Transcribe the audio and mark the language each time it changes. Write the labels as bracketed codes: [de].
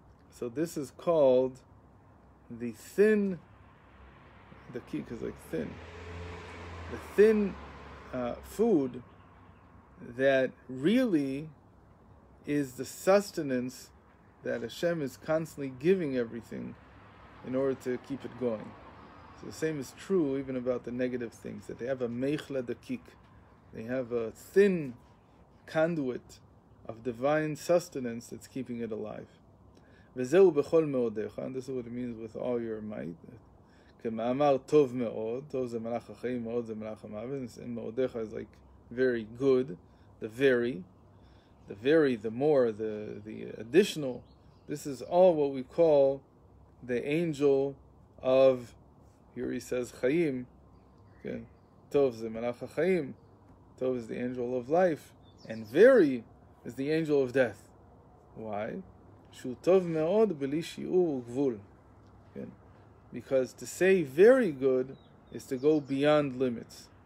[en] So this is called the thin, the key, because like thin, the thin food that really is the sustenance that Hashem is constantly giving everything in order to keep it going. So the same is true even about the negative things, that they have a mechla dakik, they have a thin conduit of divine sustenance that's keeping it alive. [he] וזהו בכל מאודך, [en] and this is what it means with all your might. [he] כמאמר טוב מאוד, טוב זה מלאך החיים, מאוד זה מלאך המוות, [en] and מאודך is like very good, the very, the more, the additional. This is all what we call the angel of, here he says Chaim, okay. [he] Tov ze malach ha-chaim. [en] Tov is the angel of life, and very is the angel of death. Why? [he] Shu tov me'od b'li shi'ur u'gvul. [en] Because to say very good is to go beyond limits.